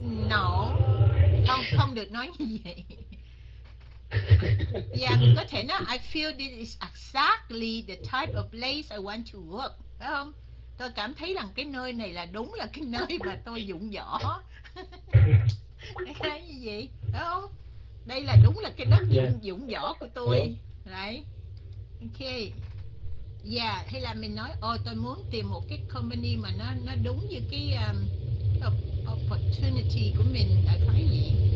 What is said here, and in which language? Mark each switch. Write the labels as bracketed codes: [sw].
[vi] No, không được nói như vậy. [en] Yeah, [vi] có thể nói, [en] I feel this is exactly the type of place I want to work. [vi] Phải không? Tôi cảm thấy rằng cái nơi này là đúng là cái nơi mà tôi dụng võ. Cái gì vậy? Phải không? Đây là đúng là cái đất dụng võ của tôi. Right. Okay. Yeah, hay là mình nói, ôi tôi muốn tìm một cái company mà nó đúng như cái opportunity của mình. Tại phải gì?